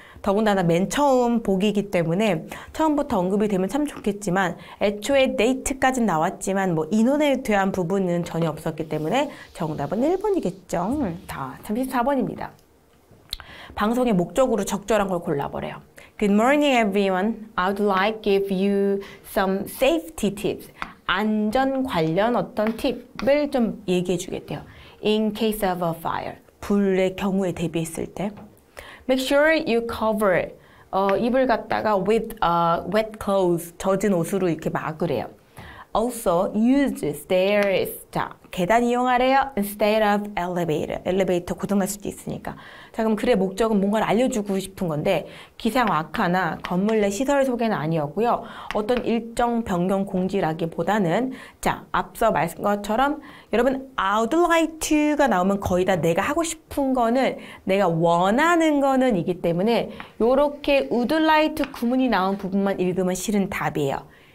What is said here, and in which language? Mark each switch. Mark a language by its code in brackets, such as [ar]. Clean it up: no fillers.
[ko] 더군다나 맨 처음 보기이기 때문에 처음부터 언급이 되면 참 좋겠지만 애초에 데이트까지 나왔지만 뭐 인원에 대한 부분은 전혀 없었기 때문에 정답은 1번이겠죠. 다 34번입니다. 방송의 목적으로 적절한 걸 골라보래요. [en] Good morning, everyone. I would like to give you some safety tips. [ko] 안전 관련 어떤 팁을 좀 얘기해 주겠대요. [en] In case of a fire. [ko] 불의 경우에 대비했을 때. [en] Make sure you cover [ko] 이불 갖다가 [en] with wet clothes. [ko] 젖은 옷으로 이렇게 막으래요. [en] Also, use stairs. 자, [ko] 계단 이용하래요. [en] Instead of elevator. [ko] 엘리베이터 고장날 수도 있으니까. 자, 그럼 글의 목적은 뭔가를 알려주고 싶은 건데, 기상 악화나 건물 내 시설 소개는 아니었고요. 어떤 일정 변경 공지라기보다는, 자, 앞서 말씀 것처럼, 여러분, [en] I would like to [ko] 가 나오면 거의 다 내가 하고 싶은 거는, 내가 원하는 거는 이기 때문에, 요렇게 would like to 구문이 나온 부분만 읽으면 싫은 답이에요.